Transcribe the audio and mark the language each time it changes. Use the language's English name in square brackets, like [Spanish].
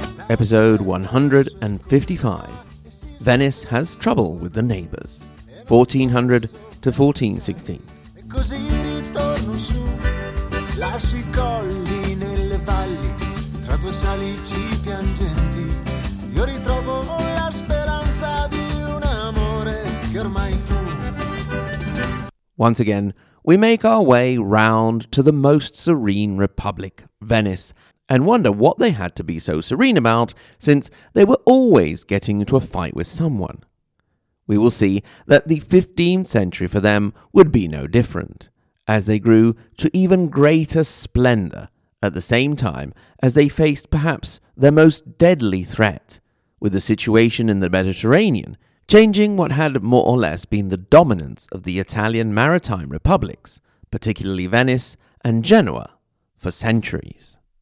[English] Episode 155. Venice has trouble with the neighbors. 1400 to 1416. [Italian] Così ritorno su, lascio I colli nelle valli, tra due salici piangenti, io ritrovo la speranza di un amore che ormai fu. [English] Once again, we make our way round to the most serene republic, Venice, and wonder what they had to be so serene about, since they were always getting into a fight with someone. We will see that the 15th century for them would be no different, as they grew to even greater splendour at the same time as they faced perhaps their most deadly threat, with the situation in the Mediterranean changing what had more or less been the dominance of the Italian maritime republics, particularly Venice and Genoa, for centuries.